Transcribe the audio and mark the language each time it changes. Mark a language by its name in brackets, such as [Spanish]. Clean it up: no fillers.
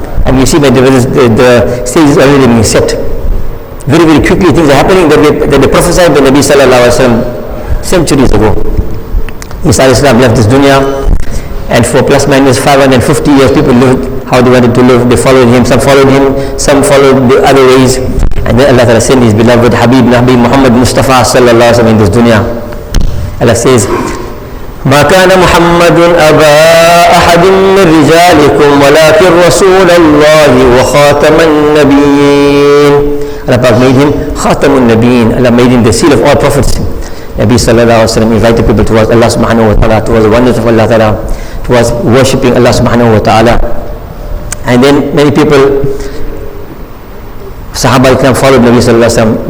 [English] And you see, my dear brothers, the stage is already being set. Very very quickly things are happening that they prophesied the Nabi sallallahu alaihi wasallam centuries ago. Isa al-Islam left this dunya, and for plus minus 550 years people lived how they wanted to live. They followed him, some followed him, some followed the other ways. And then Allah sent his beloved Habib Nabi Muhammad Mustafa sallallahu alaihi wasallam in this dunya. Allah says, [Arabic] مَا كَانَ مُحَمَّدٌ أَبَا أَحَدٍ مِّن رِجَالِكُمْ وَلَكِنْ رَسُولَ اللَّهِ وَخَاتَمَ النَّبِيِّينَ. [English] Allah made him [Arabic] خَاتَمُ النَّبِيِّينَ. [English] Allah made him the seal of all prophets. Nabi sallallahu alayhi wa sallam invited people towards Allah subhanahu wa ta'ala, towards the wonders of Allah ta'ala, towards worshipping Allah subhanahu wa ta'ala. And then many people, sahaba al-kiram, followed Nabi sallallahu alayhi wa sallam.